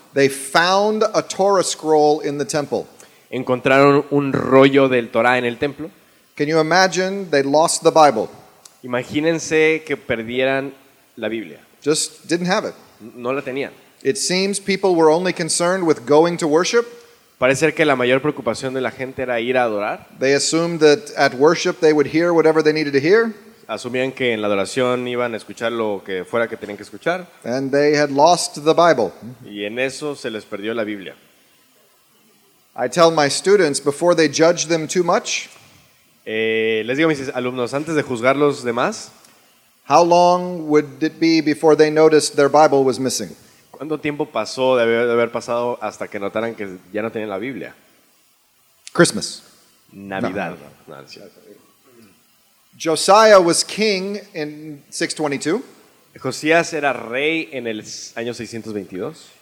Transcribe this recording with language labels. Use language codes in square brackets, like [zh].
[en] they found a Torah scroll in the temple. [es] Encontraron un rollo del Torah en el templo. [en] Can you imagine they lost the Bible? [es] Imagínense que perdieran la Biblia. [en] Just didn't have it. [es] No la tenían. [en] It seems people were only concerned with going to worship. [es] Parece que la mayor preocupación de la gente era ir a adorar. [en] They assumed that at worship they would hear whatever they needed to hear. [es] Asumían que en la adoración iban a escuchar lo que fuera que tenían que escuchar. [en] And they had lost the Bible. [es] Y en eso se les perdió la Biblia. [en] I tell my students before they judge them too much. [es] Les digo a mis alumnos antes de juzgarlos de más. [en] How long would it be before they noticed their Bible was missing? [es] ¿Cuánto tiempo pasó de haber pasado hasta que notaran que ya no tenían la Biblia? [en] Christmas. [es] Navidad. No. [en] Josiah was king in 622. [es] Josías era rey en el año 622.